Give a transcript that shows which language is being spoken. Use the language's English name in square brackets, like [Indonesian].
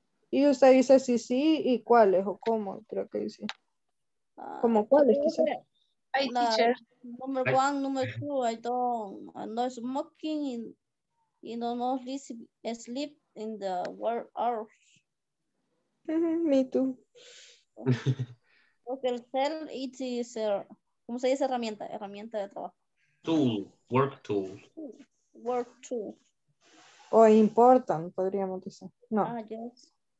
[Spanish] Y usted dice si sí y cuáles o cómo, creo que dice. ¿Cómo cuáles, quizás? [English] Hi, teacher. Number one, number two, I'm not smoking and don't sleep in the work hours. Me too. [Spanish] Porque el cell, [English] it is, [Spanish] ¿cómo se dice? Herramienta de trabajo. [English] Work tool. [Spanish] O important, podríamos decir. No. [English] Ah, yes.